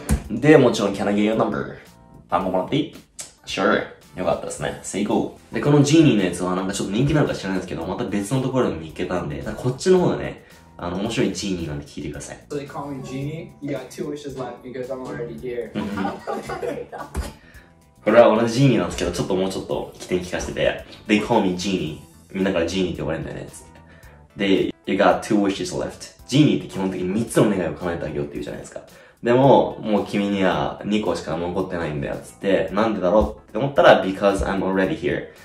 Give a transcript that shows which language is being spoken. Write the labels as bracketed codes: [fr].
[ja] で、もちろん、 [en] Can I get your number? [ja] 番号もらっていい ? [en] Sure. [ja] よかったですね。 [en] Say go. [ja] で、このジーニーのやつはなんかちょっと人気なのか知らないですけど、また別のところに行けたんで、だこっちの方がね、面白いジーニーなんで聞いてください。 [en] So they call me Genie? You got two wishes left because I'm already here. [ja] これは同じジーニーなんですけど、ちょっともうちょっと起点聞かせてて。 [en] They call me Genie. [ja] みんなからジーニーって呼ばれるんだよね。 [en] で、You got two wishes left. [ja] ジーニーって基本的に3つの願いを叶えてあげようって言うじゃないですか。でも、もう君には2個しか残ってないんだよって、なんでだろうって思ったら、 [en] Because I'm already here.